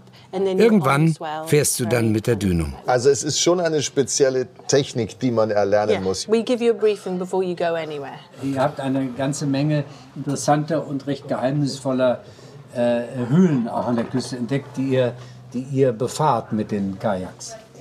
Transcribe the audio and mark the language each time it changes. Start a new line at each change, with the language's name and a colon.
German: Irgendwann fährst du dann mit der Dünung. Also es ist schon eine spezielle Technik, die man erlernen muss.
English: We give you a briefing before you go anywhere.
German: Ihr habt eine ganze Menge interessanter und recht geheimnisvoller Höhlen auch an der Küste entdeckt, die ihr befahrt mit den Kajaks.